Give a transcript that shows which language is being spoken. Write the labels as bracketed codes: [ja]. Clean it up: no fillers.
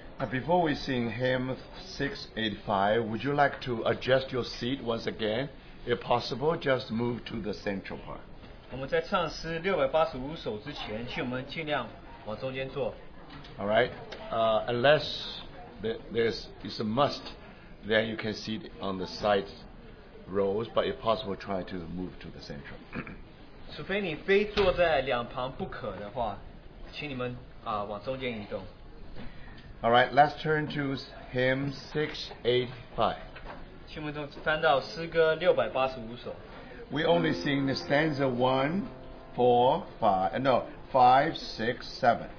[en] Before we sing hymn 685, would you like to adjust your seat once again? If possible, just move to the central part. [zh] 我们在唱诗685首之前，请我们尽量往中间坐。 [en] Alright, unless it's a must, then you can sit on the side rows, but if possible, try to move to the central. [zh] 除非你非坐在两旁不可的话，请你们往中间移动。 [en] Alright, let's turn to hymn 685. [zh] 请我们翻到诗歌685首。 [en] We only sing the stanza 1, 4, 5, no, 5, 6, 7.